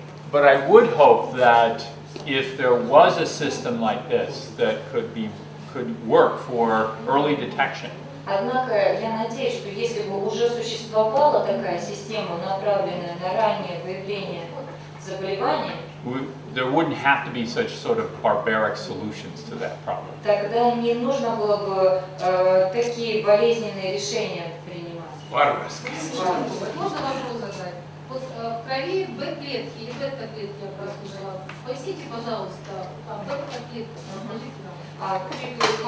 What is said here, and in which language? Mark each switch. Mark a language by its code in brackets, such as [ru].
[en] But I would hope that if there was a system like this that could work for early detection. [ru] Однако я надеюсь, что если бы уже существовала такая система, направленная на раннее выявление заболевания, [en] there wouldn't have to be such sort of barbaric solutions to that problem. [ru] Тогда не нужно было бы такие болезненные решения. Можно вопрос задать? Вот в крови B-клетки или бета-клетки образуются. Поясните, пожалуйста, бета-клетки, скажите нам.